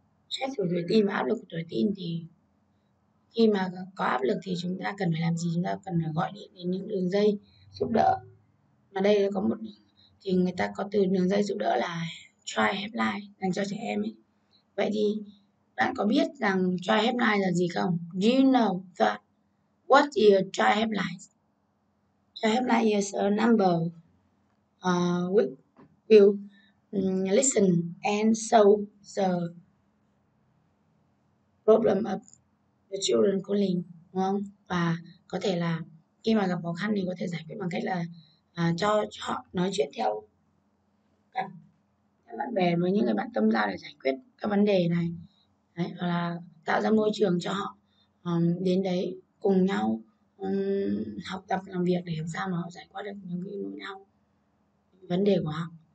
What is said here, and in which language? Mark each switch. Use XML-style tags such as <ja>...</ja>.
<vi>Stress của tuổi teen và áp lực của tuổi teen, thì khi mà có áp lực thì chúng ta cần phải làm gì? Chúng ta cần phải gọi điện đến những đường dây giúp đỡ. Mà đây có một, thì người ta có từ đường dây giúp đỡ là Try Helpline dành cho trẻ em ấy. Vậy thì bạn có biết rằng Try Helpline là gì không?</vi> <en>Do you know that? What is Try Helpline? Try Helpline is a number which will listen and solve the problem of the children calling,</en> <vi>đúng không? Và có thể là khi mà gặp khó khăn thì có thể giải quyết bằng cách là cho họ nói chuyện theo bạn bè, với những người bạn tâm giao để giải quyết các vấn đề này. Đấy, hoặc là tạo ra môi trường cho họ đến đấy cùng nhau học tập làm việc để làm sao mà họ giải quyết được những cái nỗi đau vấn đề của họ.</vi>